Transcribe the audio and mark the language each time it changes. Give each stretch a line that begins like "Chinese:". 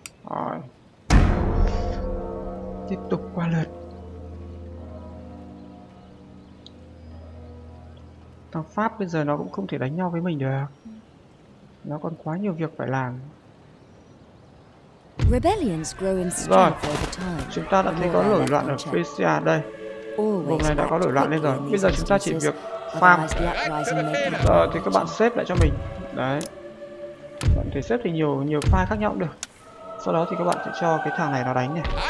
Vietnamese: Rồi. Tiếp tục qua lượt. Thằng Pháp bây giờ nó cũng không thể đánh nhau với mình được. Nó còn quá nhiều việc phải làm.
English: Rebellions grow in strength over time.
Vietnamese: Chúng ta đã thấy có nổi loạn ở Persia đây. Vùng này đã có nổi loạn lên rồi. Bây giờ chúng ta chỉ việc farm. Rồi thì các bạn xếp lại cho mình. Đấy. Bạn thể xếp thì nhiều file khác nhau cũng được. Sau đó thì các bạn sẽ cho cái thằng này nó đánh này.